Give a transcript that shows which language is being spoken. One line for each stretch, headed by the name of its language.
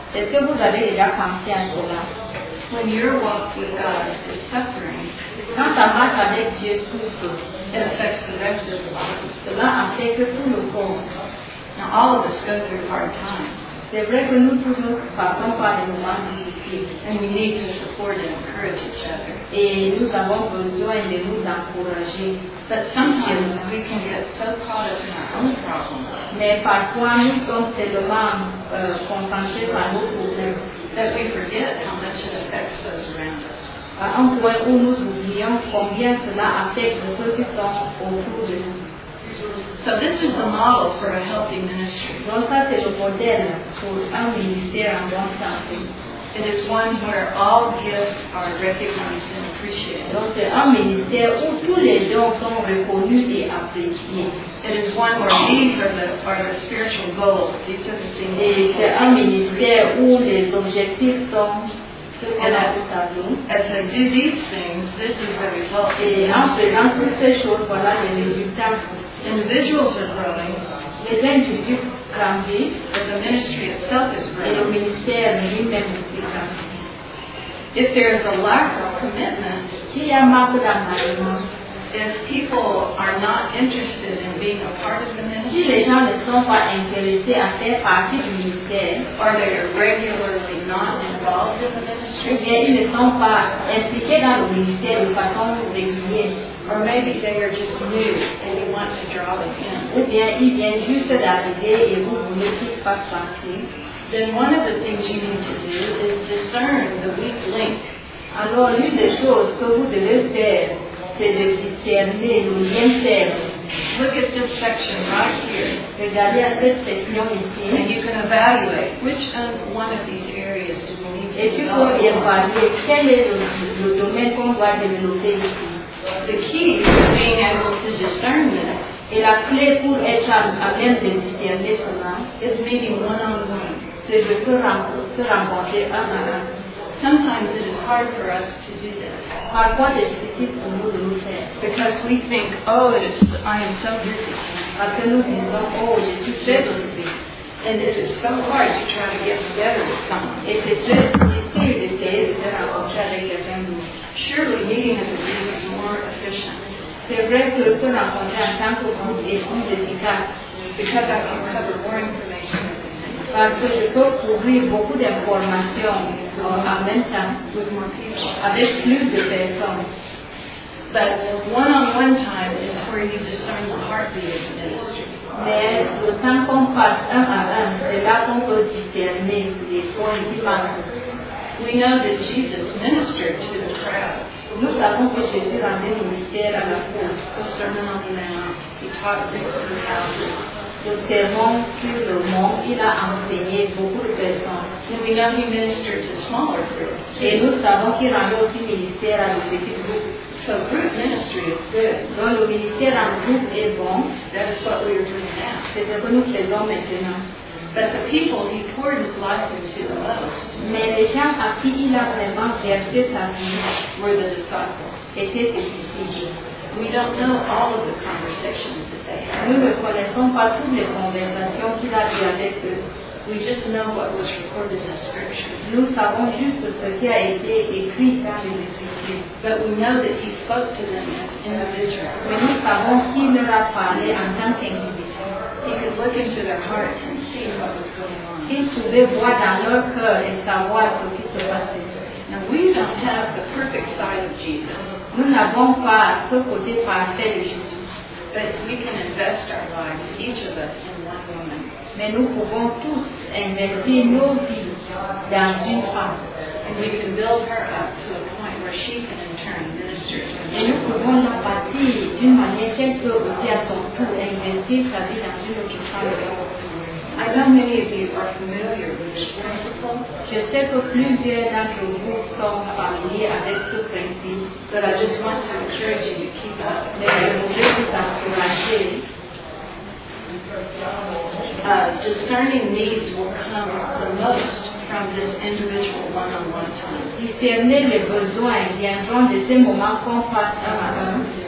French: Est-ce que vous avez déjà pensé à cela?
English: When your walk with God is suffering,
French: quand ta marche avec Dieu souffre,
English: it affects the rest of the body.
French: Cela affecte tout le corps.
English: Now all of us go through hard times.
French: C'est vrai que nous tous passons par des moments difficiles.
English: And we need to support and encourage each other.
French: Et nous avons besoin de nous encourager.
English: But sometimes we can get so caught up in our own problems.
French: Mais parfois nous sommes tellement concentrés par nos problèmes
English: that we forget how much it affects those around us.
French: À un point où nous oublions combien cela affecte ceux qui sont autour de nous.
English: So this is the model for a healthy ministry.
French: Donc ça c'est le modèle pour un ministère en bonne santé.
English: It is one where all gifts are recognized and appreciated.
French: Donc c'est un ministère où tous les dons sont reconnus et appréciés.
English: It is one where these are the spiritual goals. These are the things.
French: Et c'est un ministère où les objectifs sont.
English: As I do these things, this is the result.
French: Et en faisant toutes ces choses, voilà les résultats.
English: Individuals are growing.
French: Les individus grandissent.
English: But the ministry itself is growing.
French: Et le ministère lui-même aussi grandit.
English: If there is a lack of commitment,
French: s'il y a manque d'engagement,
English: if people are not interested in being a part of the ministry,
French: si les gens ne sont pas intéressés à faire partie du ministère,
English: or they are regularly not involved in the ministry,
French: ou bien ils ne sont pas impliqués dans le ministère de façon régulière,
English: or maybe they are just new and you want to draw them in,
French: ou bien ils viennent juste d'arriver et vous voulez qu'ils fassent partie,
English: then one of the things you need to do is discern the weak link.
French: Alors l'une des choses que vous devez faire, c'est de discerner le lien faible.
English: look at this section right here.
French: Regarde à cette section ici.
English: And you can evaluate which one of these areas do we need to develop.
French: Et tu peux évaluer quel est le domaine qu'on doit développer ici.
English: The key is being able to discern this.
French: Et la clé pour être à même de discerner cela
English: is meeting one on one.
French: C'est de se rencontrer un à un.
English: Sometimes it is hard for us to do this.
French: Parfois, c'est difficile pour nous de le faire.
English: Because we think, oh, I am so busy.
French: Parce que nous disons, oh, je suis très occupé.
English: And it is so hard to try to get together with someone.
French: Et c'est très difficile d'essayer de faire un contrat avec quelqu'un.
English: Surely, meeting as a team is more efficient.
French: C'est vrai que le faire un contrat en tant que groupe est plus efficace.
English: Because I can cover more information.
French: Parce que je peux couvrir beaucoup d'informations en même temps avec plus de personnes.
English: But one-on-one time is where you discern the heartbeat of the ministry.
French: Mais le temps qu'on passe un à un, c'est là qu'on peut discerner les points qui manquent.
English: We know that Jesus ministered to the crowd.
French: Nous savons que Jésus rendait le ministère à la foule.
English: The Sermon on the Mount. He taught things to the houses.
French: Le sermon sur le mont, il a enseigné beaucoup de personnes.
English: And we know he ministered to smaller groups.
French: Et nous savons qu'il rendait aussi ministère à des petits groupes.
English: So group ministry is good.
French: Donc le ministère en groupe est bon.
English: That is what we are doing now.
French: C'est ce que nous faisons maintenant.
English: But the people he poured his life into the most.
French: Mais les gens à qui il a vraiment versé sa vie
English: were the disciples.
French: Étaient ses disciples.
English: We don't know all of the conversations that they had.
French: Nous ne connaissons pas toutes les conversations qu'il a eues avec eux.
English: We just know what was recorded in Scripture.
French: Nous savons juste ce qui a été écrit dans les Écritures.
English: But we know that he spoke to them as individuals.
French: Mais nous savons qu'il leur a parlé en tant qu'individu.
English: He could look into their hearts and see what was going on.
French: Il pouvait voir dans leur cœur et savoir ce qui se passait.
English: Now we don't have the perfect side of Jesus.
French: Nous n'avons pas ce côté parfait de Jésus.
English: But we can invest our lives, each of us, in one woman.
French: Mais nous pouvons tous investir nos vies dans une femme.
English: And we can build her up to a point where she can in turn minister to her.
French: Et nous pouvons la bâtir d'une manière qu'elle peut aussi à son tour investir sa vie dans une autre femme.
English: I know many of you are familiar with this principle.
French: Je sais que plusieurs d'entre vous sont familiers avec ce principe.
English: But I just want to encourage you to keep up.
French: Mais je voudrais vous encourager.
English: Discerning needs will come the most from this individual one-on-one time.
French: Discerner les besoins viendront de ces moments qu'on passe un à un.